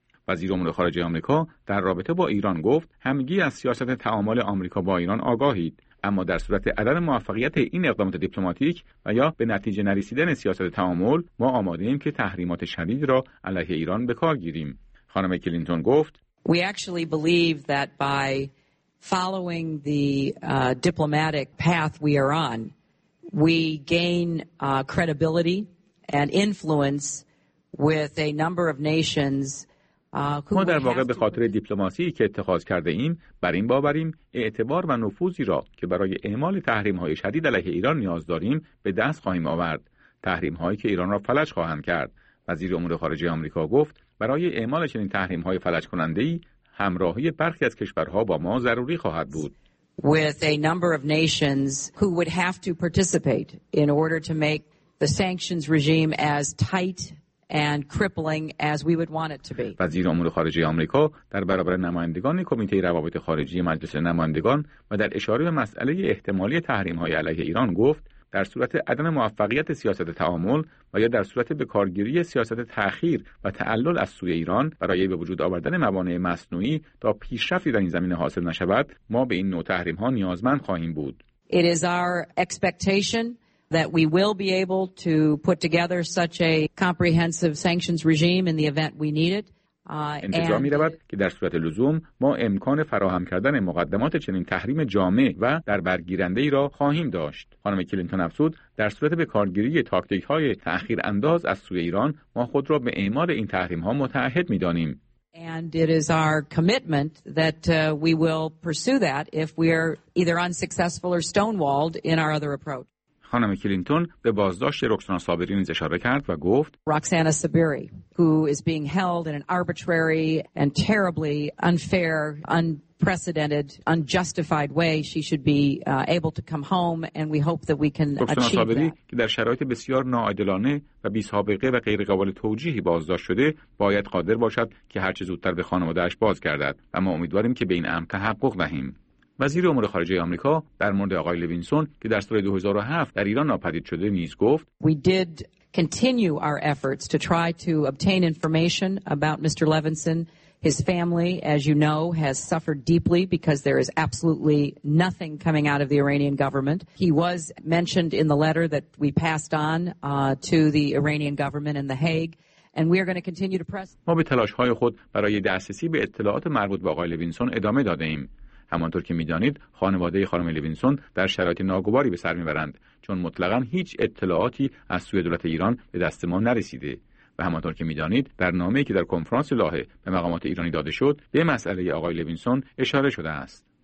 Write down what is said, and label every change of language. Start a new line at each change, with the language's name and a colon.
Persian: وزیر امور خارجه آمریکا در رابطه با ایران گفت همگی از سیاست تعامل آمریکا با ایران آگاهید، اما در صورت عدم موفقیت این اقدامات دیپلماتیک و یا به نتیجه نرسیدن سیاست تعامل ما آماده‌ایم که تحریمات شدید را علیه ایران به کار گیریم. خانم کلینتون گفت
English: We actually believe that by following the diplomatic path we are on, we gain credibility and influence with a number of nations.
Persian: ما در واقع به خاطر دیپلماسی که اتخاذ کرده ایم بر این باوریم اعتبار و نفوذی را که برای اعمال تحریم‌های شدید علیه ایران نیاز داریم به دست خواهیم آورد، تحریم‌هایی که ایران را فلج خواهند کرد. وزیر امور خارجه آمریکا گفت برای اعمال چنین تحریم‌های فلج کننده‌ای همراهی برخی از کشورها با ما ضروری خواهد بود.
English: With a number of nations who would have to participate in order to make the sanctions regime as tight and crippling as we would want it to be.
Persian: وزیر امور خارجه آمریکا در برابر نمایندگان کمیته روابط خارجی مجلس نمایندگان و در اشاره به مسئله احتمالی تحریم‌های علیه ایران گفت در صورت عدم موفقیت سیاست تعامل و یا در صورت به کارگیری سیاست تأخیر و تعلل از سوی ایران برای به وجود آوردن موانع مصنوعی تا پیشرفتی در این زمینه حاصل نشود، ما به این نوع تحریم‌ها نیازمند خواهیم بود.
English: It is our expectation that we will be able to put together such a comprehensive sanctions regime in the event we need it.
Persian: انتظار می رود که در صورت لزوم ما امکان فراهم کردن مقدمات چنین تحریم جامع و در برگیرنده ای را خواهیم داشت. خانم کلینتون افزود در صورت به کارگیری تاکتیک های تأخیر انداز از سوی ایران ما خود را به اعمال این تحریم ها متعهد می دانیم.
English: And it is our commitment that we will pursue that if we are either unsuccessful or stonewalled in our other approach.
Persian: خانم کلینتون به بازداشت رکسانا صابری نیز اشاره کرد و گفت
English: Roxana Sabiri, who is being held in an arbitrary and terribly unfair, unprecedented, unjustified way, she should be able to come home and we hope that we can achieve that.
Persian: رکسانا صابری که در شرایط بسیار ناعادلانه و بی‌سابقه و غیر قابل توجیهی بازداشت شده باید قادر باشد که هر چه زودتر به خانواده‌اش بازگردد و ما امیدواریم که به این امر تحقق دهیم. وزیر امور خارجه آمریکا در مورد آقای لوینسون که در سال 2007 در ایران ناپدید شده نیز گفت
English: We did continue our efforts to try to obtain information about Mr. Levinson. His family, as you know, has suffered deeply because there is absolutely nothing coming out of the Iranian government. He was mentioned in the letter that we passed on to the Iranian government in The Hague. And we are going to continue to press.
Persian: ما به تلاش‌های خود برای دسترسی به اطلاعات مربوط به آقای لوینسون ادامه داده‌ایم. همانطور که می‌دانید، خانواده خانم لوینسون در شرایط ناگواری به سر می‌برند، چون مطلقاً هیچ اطلاعاتی از سوی دولت ایران به دست ما نرسیده. و همانطور که می‌دانید، در نامه‌ای که در کنفرانس لاهه به مقامات ایرانی داده شد، به مسئله آقای لوینسون اشاره شده است.